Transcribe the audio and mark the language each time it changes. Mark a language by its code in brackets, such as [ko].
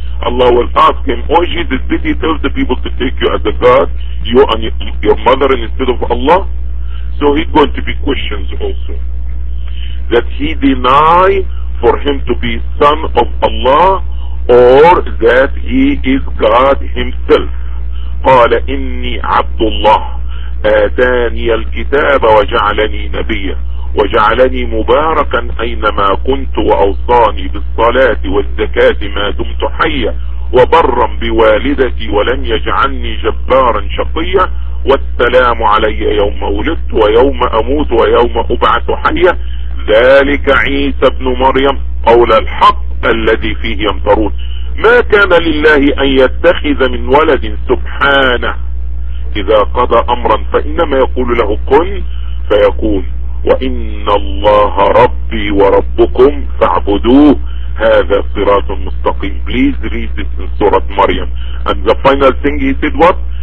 [en] Allah will ask him, oh Jesus, did he tell the people to take you as a god, you and your mother instead of Allah? So he's going to be questioned also. That he deny for him to be son of Allah, or that he is God himself. [ar] قال إني عبد الله آتاني الكتاب وجعلني نبيا وجعلني مباركا أينما كنت وأوصاني بالصلاة والزكاة ما دمت حيا وبرا بوالدتي ولم يجعلني جبارا شقيا والسلام علي يوم ولدت ويوم أموت ويوم أبعث حيا. ذلك عيسى بن مريم قول الحق الذي فيه يمترون. ما كان لله أن يتخذ من ولد سبحانه إذا قضى أمرا فإنما يقول له كن فيكون. وإن الله ربي وربكم فاعبدوه هذا صراط مستقيم. [en] Please read this in Surah Maryam. And the final thing he said what?